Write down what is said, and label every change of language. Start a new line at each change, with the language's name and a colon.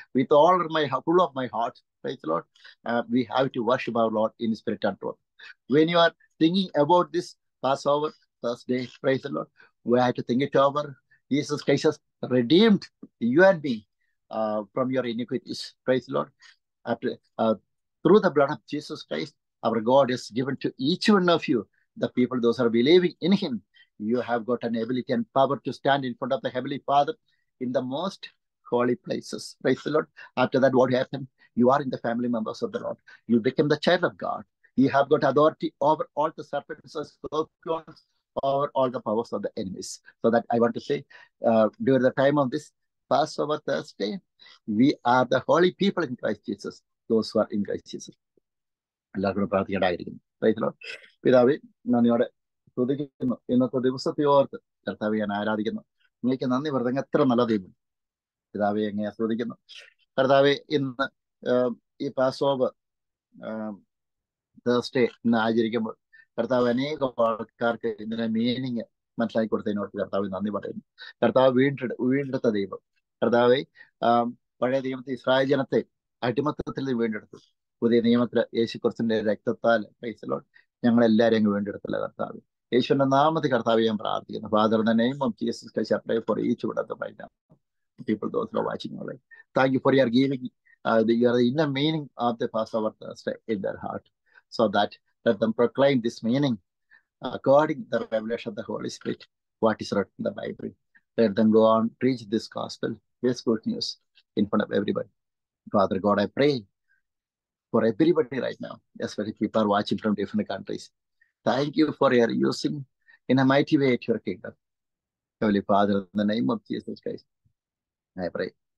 English: With all my full of my heart. Praise the Lord. We have to worship our Lord in spirit and truth. When you are thinking about this Passover Thursday, praise the Lord, we have to think it over. Jesus Christ redeemed you and me. from your iniquities. Praise the Lord. After, through the blood of Jesus Christ, our God has given to each one of you, the people, those who are believing in him, you have got an ability and power to stand in front of the Heavenly Father in the most holy places. Praise the Lord. After that, what happened? You are in the family members of the Lord. You become the child of God. You have got authority over all the serpents, scorpions, over all the powers of the enemies. So that I want to say, during the time of this Passover Thursday, we are the holy people in Christ Jesus, those who are in Christ Jesus. Praise the Lord.
Malayalam: പിതാവേ നന്ദിയോടെ സ്തുതിക്കുന്നു. ഇന്നത്തെ ദിവസത്തെ ഓർത്ത് കർത്താവെ ഞാൻ ആരാധിക്കുന്നു. അങ്ങേക്ക് നന്ദി പറഞ്ഞു. എത്ര നല്ല ദൈവം പിതാവെ എങ്ങനെ സ്തുതിക്കുന്നു കർത്താവെ. ഇന്ന് ഈ പാസോവർ തേഴ്സ്ഡേ ഇന്ന് ആചരിക്കുമ്പോൾ കർത്താവ് അനേക ആൾക്കാർക്ക് ഇതിൻ്റെ മീനിങ് മനസ്സിലാക്കി കൊടുത്തതിനോട് കർത്താവ് നന്ദി പറയുന്നു. കർത്താവ് വീണ്ടെടുത്ത ദൈവം കർത്താവെ. പഴയ ദൈവത്തെ ഇസ്രായേൽ ജനത്തെ അടിമത്തത്തിൽ വീണ്ടെടുത്തു. പുതിയ നിയമത്തിൽ യേശുക്രിസ്തുവിന്റെ രക്തത്താൽ
English: praise the Lord
Malayalam: ഞങ്ങളെല്ലാവരെയും അങ്ങ് വേണ്ടെടുത്തില്ല കർത്താവ്. യേശുവിന്റെ നാമത്തിൽ കർത്താവ് ഞാൻ പ്രാർത്ഥിക്കുന്നു.
English: Father in the name of Jesus Christ I pray for each one of the right now people those who are watching online. Thank you for your giving the inner meaning of the Passover Thursday in their heart. So that let them proclaim this meaning according the revelation of the Holy Spirit what is written in the Bible. Let them go on reach this gospel, this good news in front of everybody. Father God I pray for everybody right now, especially people are watching from different countries. Thank you for your using in a mighty way at your kingdom. Heavenly Father, in the name of Jesus Christ, I pray.